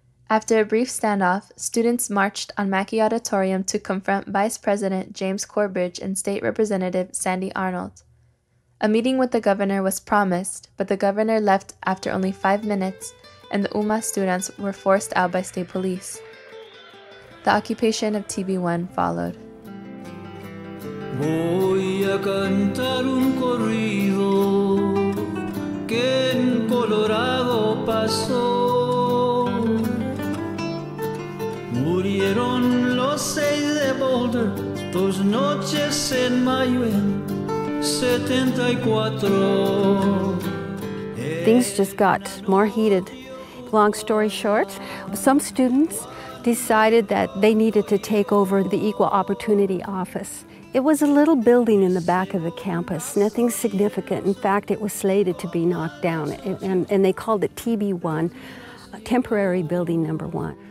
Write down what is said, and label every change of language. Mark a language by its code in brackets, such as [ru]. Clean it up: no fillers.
[en] After a brief standoff, students marched on Mackey Auditorium to confront Vice President James Corbridge and State Representative Sandy Arnold. A meeting with the governor was promised, but the governor left after only 5 minutes, and the UMA students were forced out by state police. The occupation of TB1 followed. [es] Voy a cantar un corrido que en Colorado pasó. Murieron los 6 de Boulder dos noches en mayo en 74. [en] Things just got more heated. Long story short, some students decided that they needed to take over the Equal Opportunity Office. It was a little building in the back of the campus, nothing significant. In fact, it was slated to be knocked down, and they called it TB1, Temporary Building Number 1.